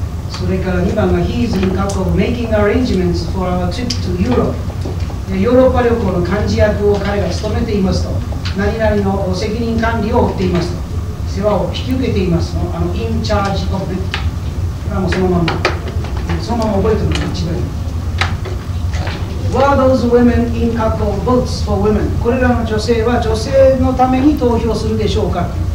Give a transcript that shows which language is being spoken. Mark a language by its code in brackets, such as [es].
[ja] それから2番が [en] He is in charge of making arrangements for our trip to Europe。 [ja] ヨーロッパ旅行の幹事役を彼が務めていますと、何々の責任管理を負っていますと、世話を引き受けていますと、 [en] In charge of [ja] ね、これはもうそのまま覚えてるのが一番いい。 [en] Were those women in charge of votes for women？ [ja] これらの女性は女性のために投票するでしょうか。